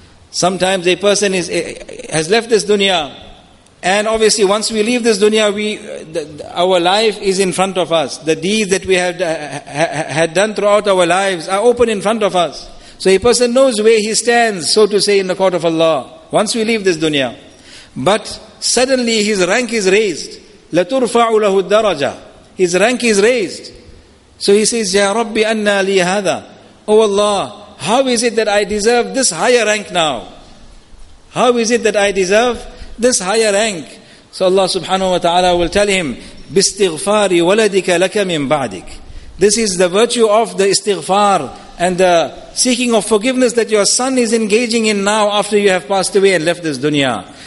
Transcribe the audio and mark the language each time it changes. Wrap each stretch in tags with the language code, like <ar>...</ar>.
<en>Sometimes a person has left this dunya, and obviously once we leave this dunya, our life is in front of us. The deeds that we had done throughout our lives are open in front of us. So a person knows where he stands, so to say, in the court of Allah, once we leave this dunya. But suddenly his rank is raised.</en> <ar>لَتُرْفَعُ لَهُ الدَّرَجَةَ.</ar> <en>His rank is raised. So he says,</en> <ar>يَا رَبِّ أَنَّا لِي هَذَا.</ar> <en>Oh Allah, how is it that I deserve this higher rank now? How is it that I deserve this higher rank? So Allah subhanahu wa ta'ala will tell him,</en> <ar>بِاسْتِغْفَارِ وَلَدِكَ لَكَ مِنْ بَعْدِكَ.</ar> <en>This is the virtue of the istighfar and the seeking of forgiveness that your son is engaging in now after you have passed away and left this dunya.</en>